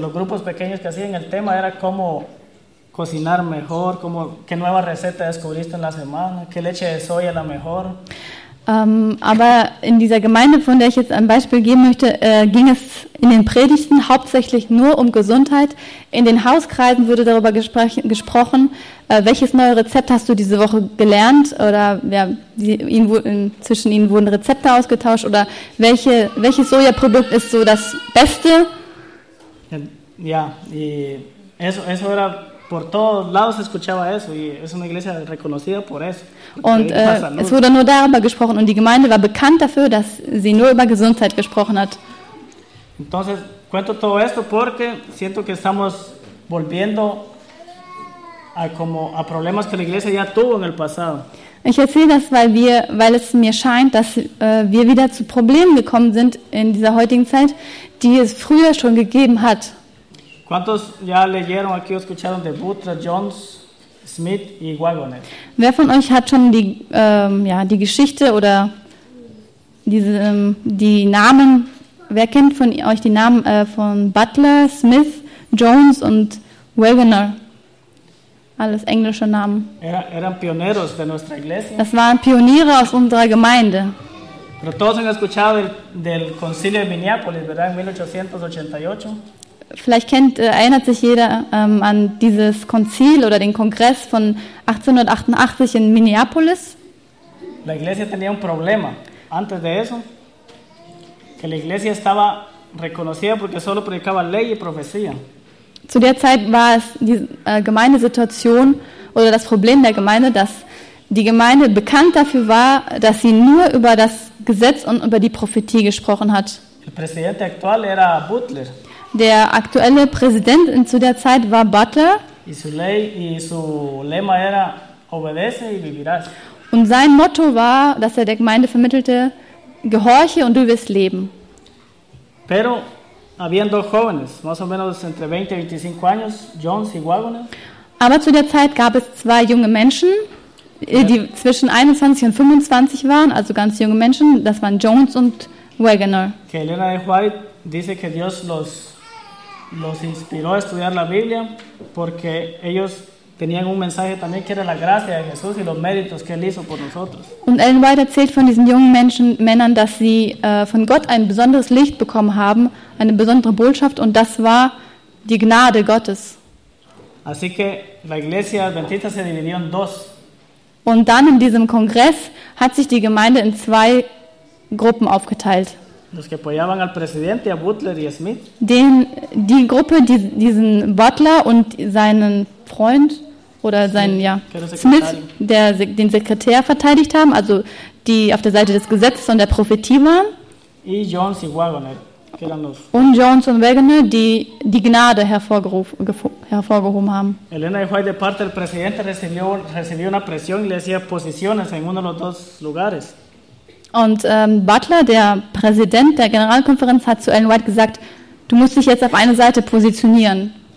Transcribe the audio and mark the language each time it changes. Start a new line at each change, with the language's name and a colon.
Spanish: Los grupos pequeños que hacían, el tema era cómo cocinar mejor, qué nueva receta descubriste en la semana, qué leche de soya la mejor.
German: Aber in dieser Gemeinde, von der ich jetzt ein Beispiel geben möchte, ging es in den Predigten hauptsächlich nur um Gesundheit. In den Hauskreisen wurde darüber gesprochen, welches neue Rezept hast du diese Woche gelernt? Oder ja, zwischen ihnen wurden Rezepte ausgetauscht? Oder welches Sojaprodukt ist so das Beste?
Spanish: Ja, y eso era por todos lados escuchaba eso y es una iglesia reconocida por eso.
German: Und es wurde nur darüber gesprochen und die Gemeinde war bekannt dafür, dass sie nur über Gesundheit gesprochen hat.
Spanish: Entonces, cuento todo esto porque siento que estamos volviendo a problemas que la iglesia ya tuvo en el pasado.
German: Ich erzähle das, weil es mir scheint, dass wir wieder zu Problemen gekommen sind in dieser heutigen Zeit, die es früher schon gegeben hat.
Spanish: ¿Cuántos ya leyeron aquí o escucharon de Butler, Jones, Smith y Wagoner?
German: Wer von euch hat schon die, die Geschichte oder die Namen, wer kennt von euch die Namen von Butler, Smith, Jones und Wagoner? Alles englische Namen.
Spanish: Eran pioneros de nuestra iglesia.
German: Das waren Pioniere aus unserer Gemeinde.
Spanish: Pero todos han escuchado del Concilio de Minneapolis, ¿verdad? En 1888.
German: Vielleicht erinnert sich jeder an dieses Konzil oder den Kongress von 1888 in Minneapolis.
Spanish: La iglesia tenía un problema antes de eso, que la iglesia estaba reconocida porque solo predicaba ley y profecía.
German: Zu der Zeit war es die Gemeindesituation oder das Problem der Gemeinde, dass die Gemeinde bekannt dafür war, dass sie nur über das Gesetz und über die Prophetie gesprochen hat.
Spanish: El presidente actual era Butler.
German: Der aktuelle Präsident zu der Zeit war Butler.
Spanish: Y su ley, y su lema era, obedece y vivirás.
German: Und sein Motto war, dass er der Gemeinde vermittelte, gehorche und du wirst leben.
Spanish: Pero habían dos jóvenes, más o menos entre 20 y 25 años, Jones y Wagoner.
German: Aber zu der Zeit gab es zwei junge Menschen, die zwischen 21 und 25 waren, also ganz junge Menschen, das waren Jones und Wagoner.
Spanish: Que Elena de White dice que Dios los inspiró a estudiar la Biblia porque ellos tenían un mensaje también que era la gracia de Jesús y los méritos que él hizo por nosotros.
German: Und Ellen White erzählt von diesen jungen Männern, dass sie von Gott ein besonderes Licht bekommen haben, eine besondere Botschaft, und das war die Gnade Gottes.
Spanish: Así que la iglesia adventista se dividió en dos.
German: Und dann in diesem Kongress hat sich die Gemeinde in zwei Gruppen aufgeteilt.
Spanish: Los que apoyaban al presidente, a Butler y a Smith.
German: Die Gruppe, die diesen Butler und seinen Freund oder seinen Smith, der den Sekretär verteidigt haben, also die auf der Seite des Gesetzes und der Prophetie waren.
Spanish: Y Jones y Wagoner, que eran los.
German: Und Jones und Wagoner, die Gnade hervorgehoben haben.
Spanish: Elena de White, de parte del presidente, recibió una presión y le hacía posiciones en uno de los dos lugares.
German: Und Butler, der Präsident der Generalkonferenz, hat zu Ellen White gesagt, du musst dich jetzt auf eine Seite positionieren.